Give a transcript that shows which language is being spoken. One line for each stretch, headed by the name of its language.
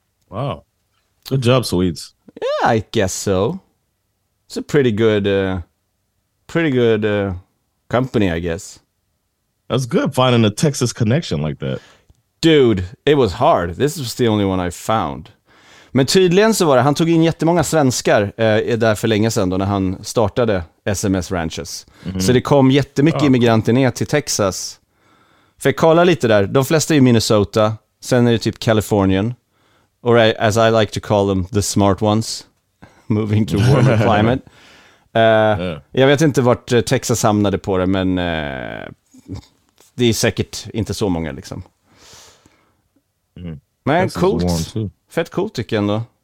English: Wow. Good job, Swedes. Yeah, I guess so. It's a pretty good company, I guess. That's good, finding a Texas connection like that. Dude, it was hard. This was the only one I found.
Swedish: Men tydligen så var det, han tog in jättemånga svenskar där för länge sedan då, när han startade SMS Ranches. Mm-hmm. Så det kom jättemycket immigranter ner till Texas. För kolla lite där, de flesta är i Minnesota. Sen är det typ Californian.
English: Or as I like to call them, the smart ones. Moving to warmer climate.
Swedish: Jag vet inte vart Texas hamnade på det, men det är säkert inte så många liksom. Mm. Men coolt. Fett coolt tycker jag ändå.